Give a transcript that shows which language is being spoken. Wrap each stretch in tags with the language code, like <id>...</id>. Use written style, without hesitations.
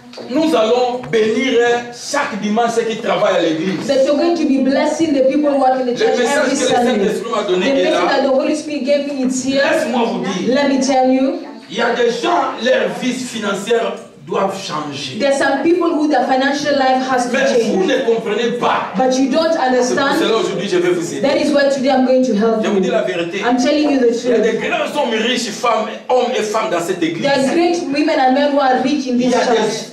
<fr>Nous allons bénir chaque dimanche ceux qui travaillent à l'église.</fr> <en>That you're going to be blessing the people who work in the church every Sunday.</en> <fr>Le message que le Saint-Esprit m'a donné est là.</fr> <en>The message that the Holy Spirit gave me is here.</en> <fr>Laisse-moi vous dire.</fr> <en>Let me tell you.</en> <fr>Il y a des gens, leur vie financière doivent changer.</fr> <en>There are some people who their financial life has to change.</en> <fr>Mais vous ne comprenez pas.</fr> <en>But you don't understand.</en> <fr>C'est là aujourd'hui je vais vous aider.</fr> <en>That is why today I'm going to help you.</en> <fr>Je vous dis la vérité.</fr> <en>I'm telling you the truth.</en> <fr>Il y a des grands hommes riches, femmes, hommes et femmes dans cette église.</fr> <en>There are great women and men who are rich in this church.</en>